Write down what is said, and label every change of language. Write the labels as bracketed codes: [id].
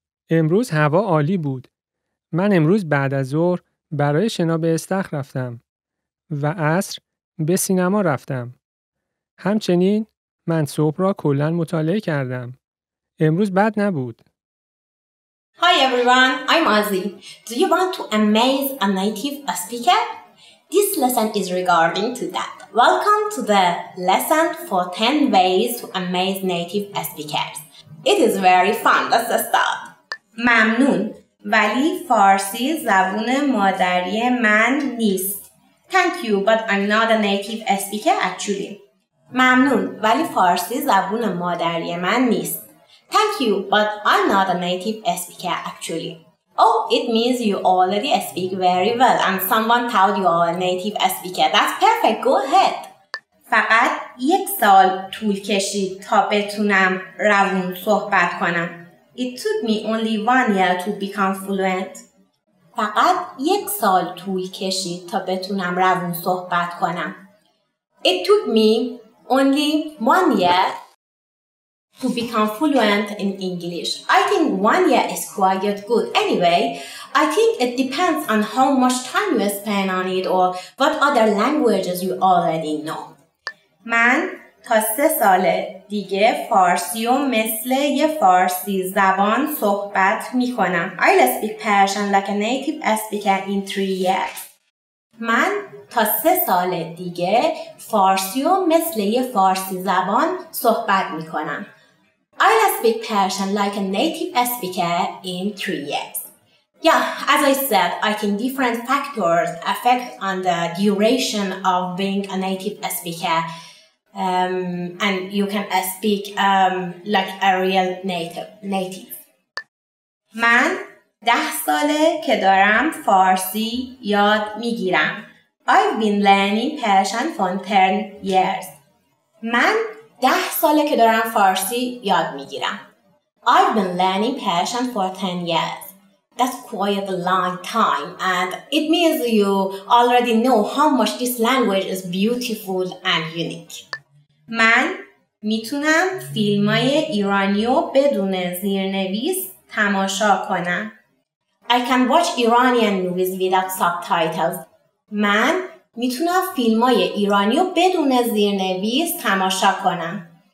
[fa] امروز هوا عالی بود. من امروز بعد از ظهر برای شنا به استخر رفتم و عصر به سینما رفتم. همچنین من صبح را کلاً مطالعه کردم. امروز بد نبود. [en] Hi everyone, I'm Azzy. Do you want to amaze a native speaker? This lesson is regarding to that. Welcome to the lesson for 10 ways to amaze native speakers. It is very fun. Let's start. [fa] ممنون. ولی فارسی زبون مادری من نیست. [en] Thank you, but I'm not a native speaker actually. [fa] ممنون. ولی فارسی زبون مادری من نیست. [en] Thank you, but I'm not a native speaker actually. Oh, it means you already speak very well and someone told you are a native speaker. That's perfect. Go ahead. [fa] فقط یک سال طول کشید تا بتونم روان صحبت کنم. [en] It took me only 1 year to become fluent. [fa] فقط یک سال طول کشید تا بتونم روان صحبت کنم. [en] It took me only 1 year to become fluent in English. I think 1 year is quite good. Anyway, I think it depends on how much time you spend on it or what other languages you already know. [fa] من تا 3 سال دیگه فارسی و مثل یه فارسی زبان صحبت می کنم. [en] I'll speak Persian like a native speaker in 3 years. [fa] من تا 3 سال دیگه فارسی و مثل یه فارسی زبان صحبت می کنم. [en] I speak Persian like a native speaker in 3 years. Yeah, as I said, I think different factors affect on the duration of being a native speaker. And you can speak like a real native. [fa] من 10 ساله که دارم فارسی یاد میگیرم. [en] I've been learning Persian for 10 years. [fa] من 10 ساله که دارم فارسی یاد میگیرم. [en] I've been learning Persian for 10 years. That's quite a long time and it means you already know how much this language is beautiful and unique. [fa] من میتونم فیلمای ایرانیو بدون زیرنویس تماشا کنم. [en] I can watch Iranian movies without subtitles. [fa] من میتونم فیلمای ایرانیو بدون زیرنویس تماشا کنم.